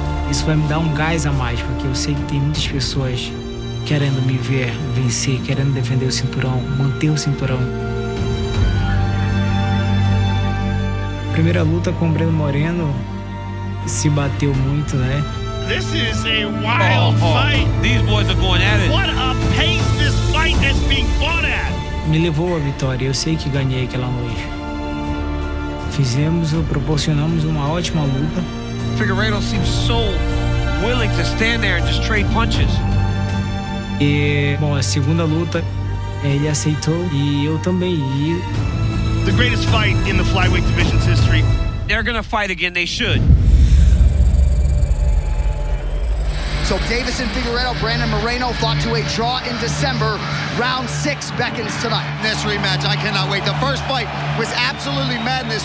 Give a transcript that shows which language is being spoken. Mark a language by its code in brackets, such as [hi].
[pt] Isso vai me dar um gás a mais, porque eu sei que tem muitas pessoas querendo me ver vencer, querendo defender o cinturão, manter o cinturão. Primeira luta com o Breno Moreno, se bateu muito, né? [en] This is a wild fight. These boys are going at it. What a pace this fight has been fought at. [pt] Me levou a vitória. Eu sei que ganhei aquela noite. Fizemos ou proporcionamos uma ótima luta. [en] Figueiredo seems so willing to stand there and just trade punches. [pt] E, bom, a segunda luta, ele aceitou e eu também. [en] The greatest fight in the flyweight division's history. They're going to fight again. They should. So Deiveson Figueiredo, Brandon Moreno fought to a draw in December. Round six beckons tonight. This rematch, I cannot wait. The first fight was absolutely madness.